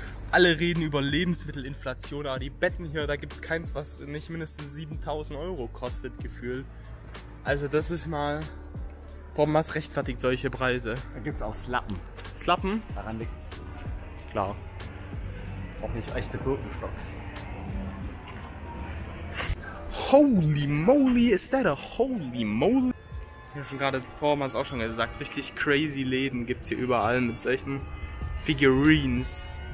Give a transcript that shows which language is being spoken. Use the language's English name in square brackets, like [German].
[German] Alle reden über Lebensmittelinflation, aber die Betten hier, da gibt es keins, was nicht mindestens 7.000 Euro kostet, gefühlt. Also das ist mal... Torben, was rechtfertigt solche Preise? Da gibt es auch Slappen. Slappen? Daran liegt es. Klar. Auch nicht echte Birkenstocks. Oh. [English] Holy moly, is that a holy moly? [German] Ich habe schon gerade, Thorman hat auch schon gesagt, richtig crazy Läden gibt's hier überall mit solchen Figurines.